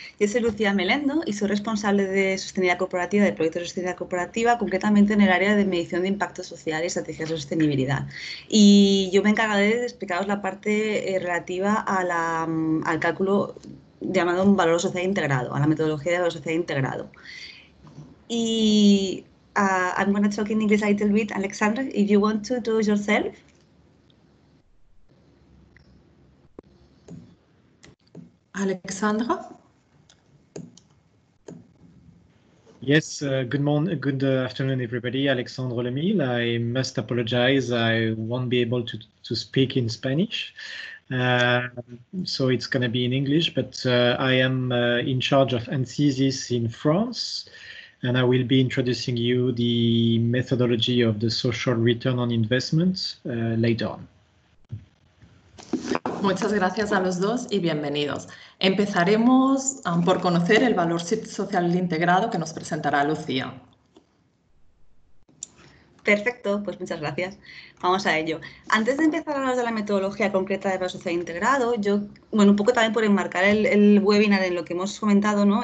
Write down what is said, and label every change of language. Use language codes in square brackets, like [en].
[es] Yo soy Lucía Melendo y soy responsable de sostenibilidad corporativa, de proyectos de sostenibilidad corporativa, concretamente en el área de medición de impacto social y estrategias de sostenibilidad. Y yo me encargaré de explicaros la parte relativa a al cálculo llamado un valor social integrado, a la metodología de valor social integrado. [en] Y I'm going to talk in English a little bit, Alexandre, if you want to do it yourself. Alexandra? Yes, good morning, good afternoon, everybody. Alexandre Lemil. I must apologize. I won't be able to speak in Spanish. So it's going to be in English, but I am in charge of Anthesis in France, and I will be introducing you the methodology of the social return on investment later on. [es] Muchas gracias a los dos y bienvenidos. Empezaremos por conocer el valor social integrado que nos presentará Lucía. Perfecto, pues muchas gracias. Vamos a ello. Antes de empezar a hablar de la metodología concreta de valor social integrado, yo, bueno, un poco también por enmarcar el webinar en lo que hemos comentado, ¿no?